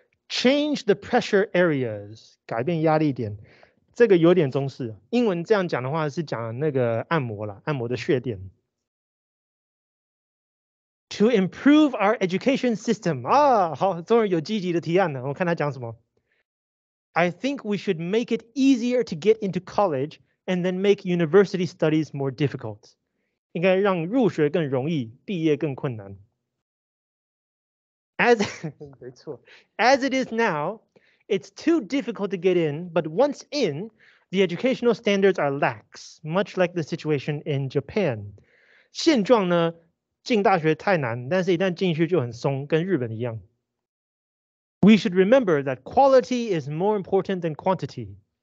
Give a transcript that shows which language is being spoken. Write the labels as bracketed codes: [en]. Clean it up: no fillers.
[en] Change the pressure areas， [zh] 改变压力点，这个有点中式。英文这样讲的话是讲那个按摩了，按摩的穴点。 [en] To improve our education system. [zh] 啊，好，终于有积极的提案了。我看他讲什么。 [en] I think we should make it easier to get into college and then make university studies more difficult. [zh] 应该让入学更容易，毕业更困难。 [en] As it is now, it's too difficult to get in, but once in, the educational standards are lax, much like the situation in Japan. [zh] 现状呢？进大学太难，但是一旦进去就很松，跟日本一样。 [en] We should remember that quality is more important than quantity.